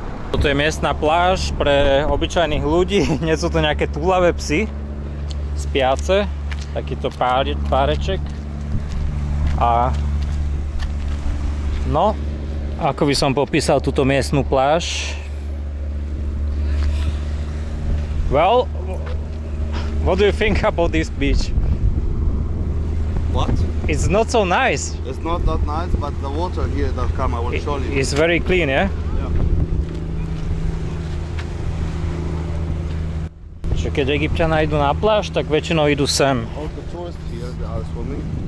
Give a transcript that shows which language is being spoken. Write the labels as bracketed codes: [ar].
[sk] Toto je miestna pláž pre obyčajných ľudí. Nie sú tu nejaké túlavé psy spiace. Takýto páreček. A no, ako by som popísal túto miestnu pláž? [en] Well, what do you think about this beach? What? It's not so nice. It's not that nice, but the water here that come, I will show you. It's very clean, yeah? Yeah. [sk] Čiže keď Egypťania idú na pláž, tak väčšinou idú sem. [en] All the tourists here, they are swimming.